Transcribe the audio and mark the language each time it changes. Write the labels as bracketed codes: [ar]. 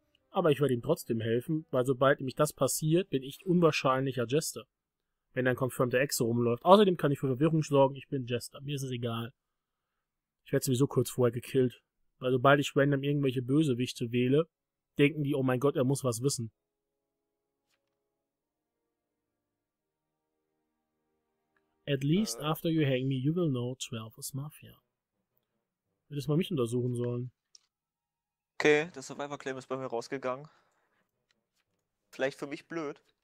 [de] Aber ich werde ihm trotzdem helfen, weil sobald nämlich das passiert, bin ich unwahrscheinlicher Jester. Wenn ein confirmter Exe rumläuft. Außerdem kann ich für Verwirrung sorgen, ich bin Jester. Mir ist es egal. Ich werde sowieso kurz vorher gekillt. Weil sobald ich random irgendwelche Bösewichte wähle, denken die, oh mein Gott, er muss was wissen. [en] At least after you hang me, you will know 12 is Mafia. [de] Hättest mal mich untersuchen sollen. Okay, der Survivor Claim ist bei mir rausgegangen. Vielleicht für mich blöd.